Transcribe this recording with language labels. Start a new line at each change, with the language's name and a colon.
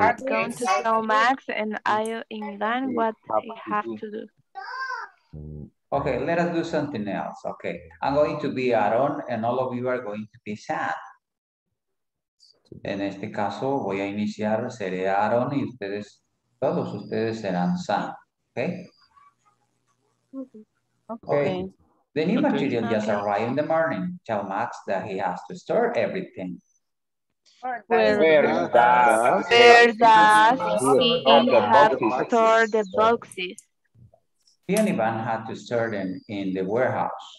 English: I'm going to tell Max and Ivan what they have to do. Okay, let us do something else. Okay, I'm going to be Aaron and all of you are going to be Sam.
Spanish: En este caso, voy a iniciar, seré Aaron y ustedes, todos ustedes serán Sam.
English: Okay? Okay. The new material just arrived in the morning. Tell Max that he has to store everything. Where does he have to store the boxes? He and Ivan had to store them in the warehouse.